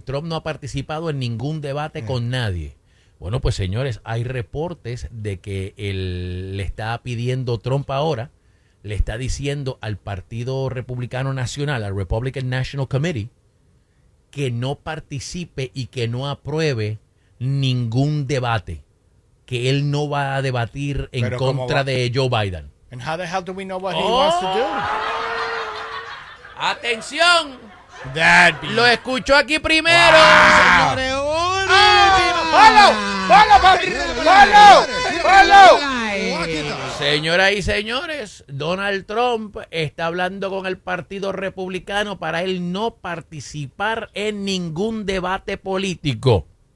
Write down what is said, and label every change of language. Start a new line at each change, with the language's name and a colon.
Spanish: Trump no ha participado en ningún debate con nadie. Bueno, pues señores, hay reportes de que él le está pidiendo Trump ahora, le está diciendo al Partido Republicano Nacional, al Republican National Committee, que no participe y que no apruebe ningún debate. Que él no va a debatir en contra de Joe Biden.
English: And how the hell do we know what he wants to do?
Spanish: ¡Atención!
English: That'd be...
Spanish: Lo escuchó aquí primero. Señoras y señores, Donald Trump está hablando con el Partido Republicano para él no participar en ningún debate político.